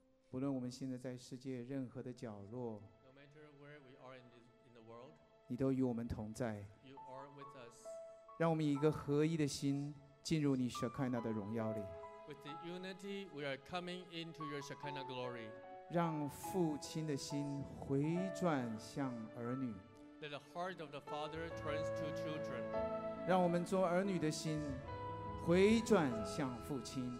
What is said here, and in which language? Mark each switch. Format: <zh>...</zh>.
<zh>不论我们现在在世界任何的角落，</zh> <en>no matter where we are in this, in the world，</en> <zh>你都与我们同在。</zh> <en>You are with us。</en> <zh>让我们以一个合一的心进入你 Shekinah 的荣耀里。</zh> <en>With the unity, we are coming into your Shekinah glory。</en> <zh>让父亲的心回转向儿女。</zh> <en>Let the heart of the father turns to children。</en> <zh>让我们做儿女的心回转向父亲。</zh>